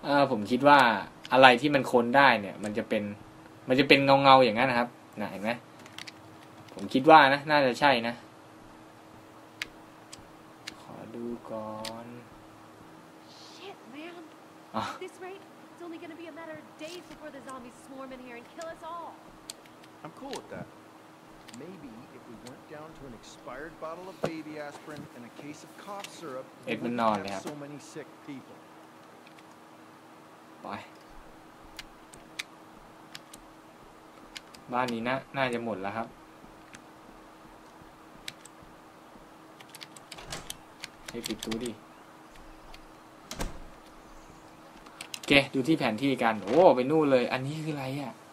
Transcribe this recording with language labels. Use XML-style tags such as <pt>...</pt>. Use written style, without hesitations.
<th>ผมคิดว่าอะไรที่มันค้นได้เนี่ยมันจะเป็นเงาๆอย่างนั้นนะครับเห็นไหมผมคิดว่านะน่าจะใช่นะขอดูก่อน</th> <en>Shit man This rate it's only going to be a matter of days before the zombies swarm in here and kill us all I'm cool with that Maybe if we went down to an expired bottle of baby aspirin and a case of cough syrup</en> <th>เอ็ดมันนอนเลยครับ</th> <en>So many sick people</en> <th>ไปบ้านนี้นะน่าจะหมดแล้วครับให้ปิดตู้ดิโอเคดูที่แผนที่กันโอ้ไปนู่นเลยอันนี้คืออะไรอ่ะ</th>